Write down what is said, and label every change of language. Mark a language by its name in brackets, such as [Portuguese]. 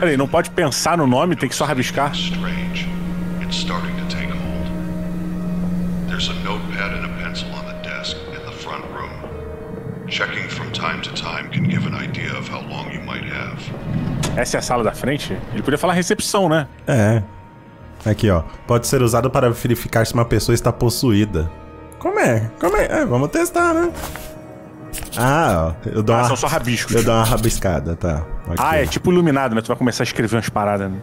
[Portuguese] Peraí, não pode pensar no nome, tem que só rabiscar. [English] Strange. It's starting to take hold. There's a notepad and a pencil on the desk in the front room. Checking from time to time can give an idea of how long you might have. [Portuguese] Essa é a sala da frente? Ele podia falar recepção, né? É. Aqui, ó. Pode ser usado para verificar se uma pessoa está possuída. Como é? Como é? É, vamos testar, né? Ah, ó. Eu dou São só rabiscos. Eu dou uma rabiscada, tá. Aqui. Ah, é tipo iluminado, né? Tu vai começar a escrever umas paradas, né?